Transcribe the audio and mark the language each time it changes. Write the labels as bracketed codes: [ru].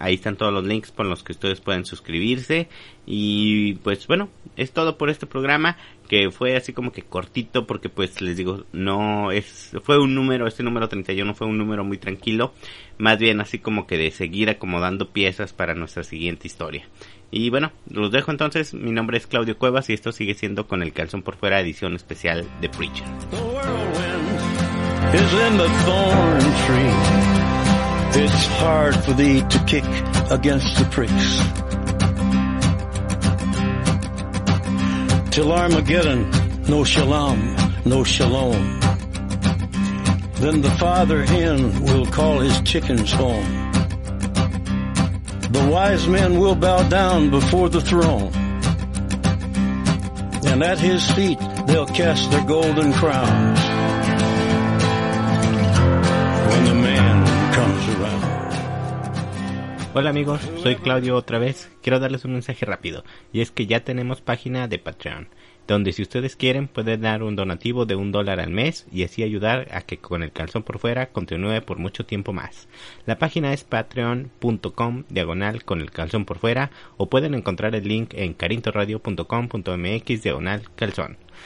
[es] Ahí están todos los links por los que ustedes pueden suscribirse. Y pues bueno, es todo por este programa, que fue así como que cortito, porque pues les digo, no es, fue un número, este número 31 fue un número muy tranquilo, más bien así como que de seguir acomodando piezas para nuestra siguiente historia. Y bueno, los dejo entonces. Mi nombre es Claudio Cuevas y esto sigue siendo Con el Calzón por Fuera, edición especial de Preacher. [en] The whirlwind is in the thorn tree. It's hard for thee to kick against the pricks. Till Armageddon, no shalom, no shalom. Then the father hen will call his chickens home. The wise men will bow down before the throne. And at his feet they'll cast their golden crowns. When the man comes around. [es] Hola amigos, soy Claudio otra vez. Quiero darles un mensaje rápido, y es que ya tenemos página de Patreon, donde si ustedes quieren pueden dar un donativo de $1 al mes y así ayudar a que Con el Calzón por Fuera continúe por mucho tiempo más. La página es patreon.com/conelcalzonporfuera o pueden encontrar el link en carintoradio.com.mx/calzón.